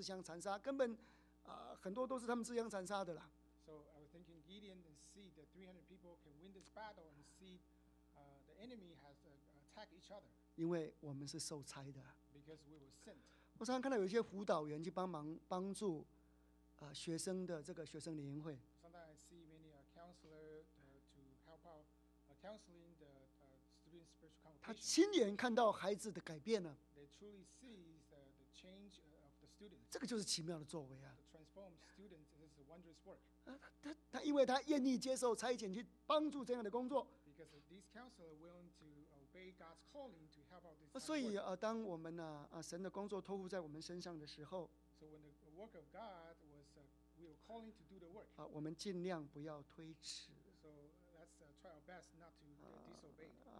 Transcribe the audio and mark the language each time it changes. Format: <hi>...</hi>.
<zh>我在想基甸看到真的300个人可以杀死那么多人，而且他们自相残杀，根本很多都是他们自相残杀的啦</zh> <en>So I was thinking Gideon and see that 300 people can win this battle and see the enemy has attacked each other.</en> <zh>因为我们是受差的</zh> <en>，because we were sent.</en> <zh>我常常看到有一些辅导员去帮忙帮助学生的这个学生联谊会</zh> <en>Sometimes I see many counselors to help out counseling the student spiritual congregation</en> <zh>他亲眼看到孩子的改变了</zh> <en>They truly see the change of the students</en> <zh>这个就是奇妙的作为啊</zh> <en>To transform students is a wondrous work</en> <zh>他因为他愿意接受差遣去帮助这样的工作</zh> <en>Because these counselors are willing to obey God's calling to help out this work.</en> <zh>所以当我们神的工作托付在我们身上的时候</zh> <en>So when the work of God was we were calling to do the work.</en> <zh>我们尽量不要推迟</zh> <en>So let's try our best not to disobey.</en>